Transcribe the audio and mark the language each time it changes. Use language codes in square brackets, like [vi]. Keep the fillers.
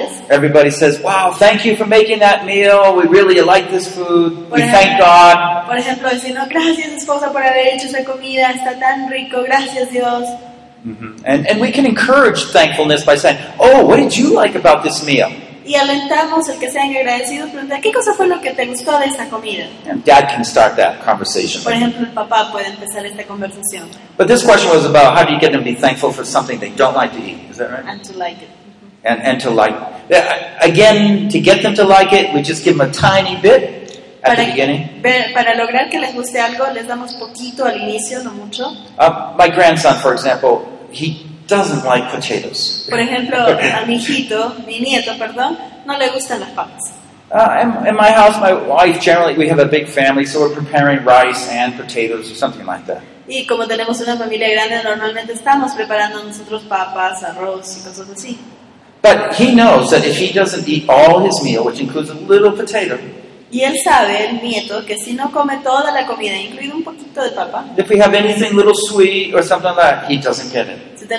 [en] Everybody says, wow, thank you for making that meal. We really like this food. [es] Ejemplo, [en] we thank God. [es] Por ejemplo, diciendo, gracias esposa por haber hecho esa comida. Está tan rico. Gracias Dios. Mm -hmm. [en] and, and we can encourage thankfulness by saying, oh, what did you like about this meal? [es] y alentamos el que sean agradecidos. Pregunta, ¿qué cosa fue lo que te gustó de comida? [en] And dad can start that conversation. [es] Por ejemplo, el papá puede empezar esta conversación. [en] But this question was about how do you get them to be thankful for something they don't like to eat? Is that right? And to like it. And, and to like it again to get them to like it, we just give them a tiny bit at [es] para [en] the beginning. [es] Ver, para lograr que les guste algo, les damos poquito al inicio, no mucho. [en] Uh, my grandson, for example, he doesn't like potatoes. For example, [es] a mi hijito, mi nieto, perdón, no le gustan las papas. [en] Uh, in, my house, my wife generally we have a big family, so we're preparing rice and potatoes or something like that. [es] Y como tenemos una familia grande, normalmente estamos preparando nosotros papas, arroz y cosas así. [en] But he knows that if he doesn't eat all his meal, which includes a little potato. [es] Y él sabe, el nieto, que si no come toda la comida, incluido un poquito de papa. [en] If we have anything little sweet or something like that, he doesn't get it